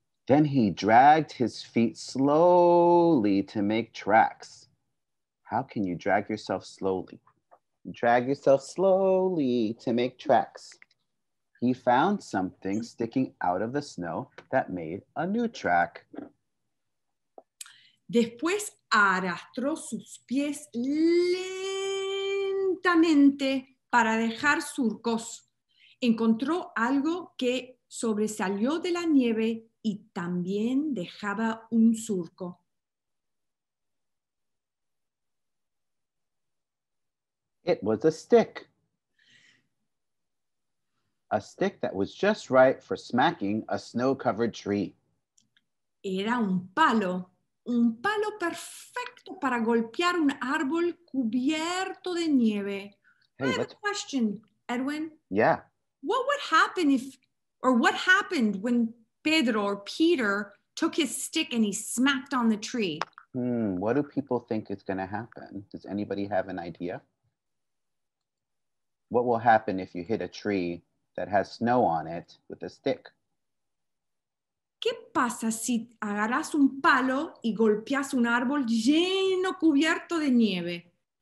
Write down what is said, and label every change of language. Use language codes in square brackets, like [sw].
[en] Then he dragged his feet slowly to make tracks. How can you drag yourself slowly? Drag yourself slowly to make tracks. He found something sticking out of the snow that made a new track. [es] Después arrastró sus pies lentamente para dejar surcos. Encontró algo que sobresalió de la nieve y también dejaba un surco. [en] It was a stick. A stick that was just right for smacking a snow-covered tree. [es] Era un palo perfecto para golpear un árbol cubierto de nieve. [en] Hey, I have a question, Edwin. Yeah. What would happen if, or what happened when Pedro or Peter took his stick and he smacked on the tree? What do people think is going to happen? Does anybody have an idea? What will happen if you hit a tree that has snow on it with a stick? [es] ¿Qué pasa si agarras un palo y golpeas un árbol lleno cubierto de nieve?